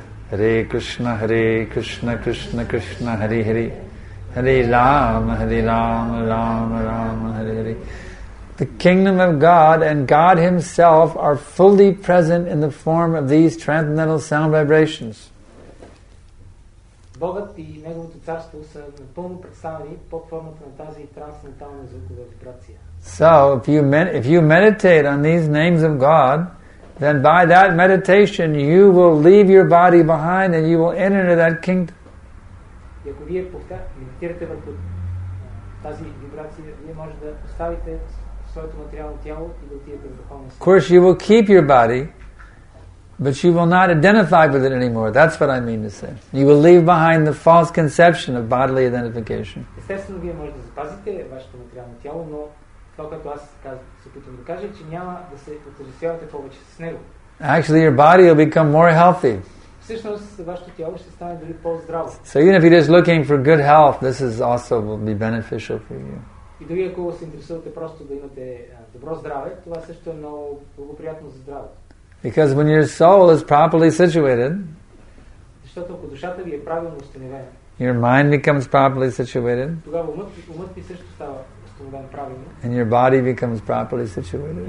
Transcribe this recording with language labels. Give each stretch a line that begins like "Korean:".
Sanskrit: Hare Krishna, Hare Krishna, Krishna Krishna, Hare Hare. Hare Rama, Hare Rama, Rama Rama, Hare Hare.
English: The kingdom of God and God Himself are fully present in the form of these transcendental sound vibrations.
Bulgarian: Богът и Неговото царство са напълно представени под формата на тази трансцендентална звукова вибрация.
English: So, if you meditate on these names of God, then by that meditation you will leave your body behind and you will enter into that kingdom.
Bulgarian: И ако вие медитирате върху тази вибрация, вие може да оставите своето материално тяло и да отидете в духовно свят.
English: Of course, you will keep your body, but you will not identify with it anymore. That's what I mean to say. You will leave behind the false conception of bodily identification.
Bulgarian: Естествено, вие може да запазите вашето материално тяло, но това, което аз се опитвам да кажа, че няма да се отъждествявате повече с него.
English: Actually, your body will become more healthy.
Bulgarian: Всъщност, вашето тяло ще стане дори по-здраво.
English: So even if you're just looking for good health, this is also will be beneficial for you.
Bulgarian: И дори ако се интересувате просто да имате добро здраве, това също е много благоприятно за здравето.
English: Because when your soul is properly situated,
Bulgarian: защото ако душата ви е правилно установена,
English: your mind becomes properly situated,
Bulgarian: тогава умът ви също става установен правилно,
English: and your body becomes properly situated.